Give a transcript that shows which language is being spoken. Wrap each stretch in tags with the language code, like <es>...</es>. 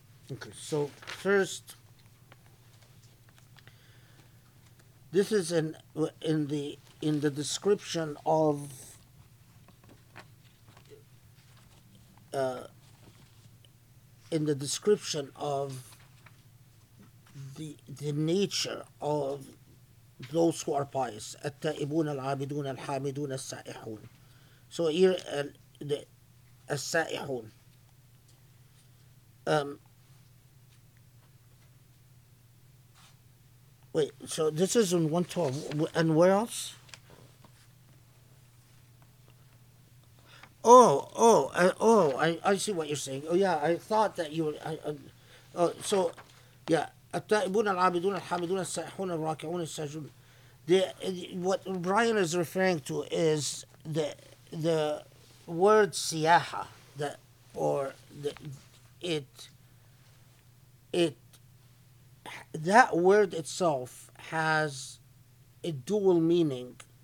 <en>Okay, so first, this is in the description of the nature of those who are pious.</en> <ar>التائبون العابدون الحامدون السائحون.</ar> <en>So here the السائحون. Wait, so this is in 112. And where else? I see what you're saying. Oh, yeah, I thought that you were...</en> <ar>التائبون العابدون الحامدون السائحون الراكعون السجون.</ar> <en>What Brian is referring to is the word siyaha, that word itself has a dual meaning.</en>